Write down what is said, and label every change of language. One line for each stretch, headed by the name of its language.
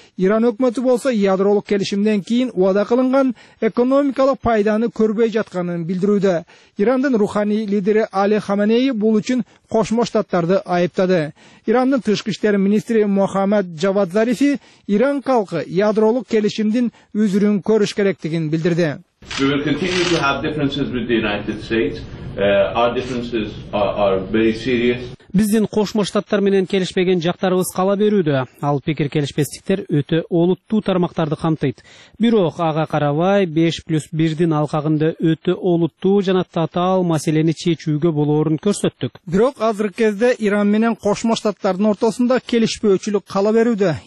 Kyrgyz: Иран өкмөтү болсо ядролук келишимден кийин убада кылынган экономикалык пайданы көрбөй жатканын билдирүүдө. Ирандын руханий лидери Али Хаменеи бул үчүн Кошмо Штаттарды айыптады. Ирандын тышкы иштер министри Мухаммад Джавад Зарифи Иран калкы ядролук келишимдин үзүрүн көрүш керектигин билдирди.
English: We will continue to have differences with the United States. Our differences are very serious.
Kyrgyz: Биздин Кошмо Штаттар менен келишпеген жактарыбыз кала берүүдө. Ал пикир келишпестиктер өтө олуттуу тармактарды камтыйт. Бирок ага карабай 5+1 алкагында өтө олуттуу жана татаал маселени чечүүгө болоорун көрсөттүк. Бирок азыркы кезде Иран менен Кошмо Штаттардын ортосунда келишпөөчүлүк кала берүүдө.